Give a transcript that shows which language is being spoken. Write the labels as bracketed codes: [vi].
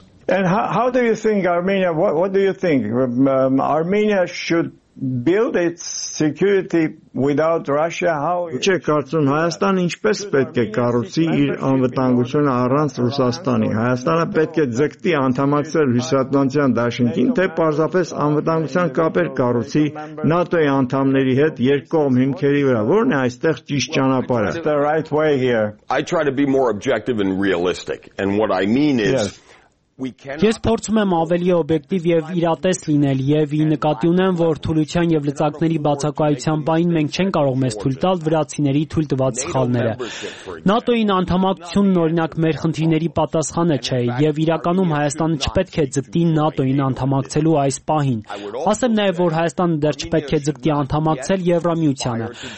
[en] And how do you think Armenia, what do you think Armenia should build its security without Russia, how [hy] ի՞նչ է կարծում Հայաստան ինչպես պետք է կառուցի իր անվտանգությունը առանց Ռուսաստանի։ Հայաստանը պետք է ձգտի անդամակցել հյուսիսատլանտյան դաշինքին, թե պարզապես անվտանգության կապեր կառուցի ՆԱՏՕ-ի անդամների հետ երկկողմ հիմքերի վրա։ Որն է այստեղ ճիշտ ճանապարհը։ [en] I try to be more objective and realistic, and what I mean is [hy] ես փորձում եմ ավելի օբյեկտիվ եւ իրատես լինել եւ ի նկատի ունեմ, որ թուլության եւ լծակների բացակայության պայն մենք չենք կարող մեզ թույլ տալ վրացիների թույլ տված սխալները։ ՆԱՏՕ-ի անդամակցությունն օրինակ մեր խնդիրների պատասխանը չէ եւ իրականում Հայաստանը չպետք է ձգտի ՆԱՏՕ-ի անդամակցելու այս պահին։ Ասեմ նաեւ, որ Հայաստանը դեռ չպետք է ձգտի անդամակցել Եվրամիությանը։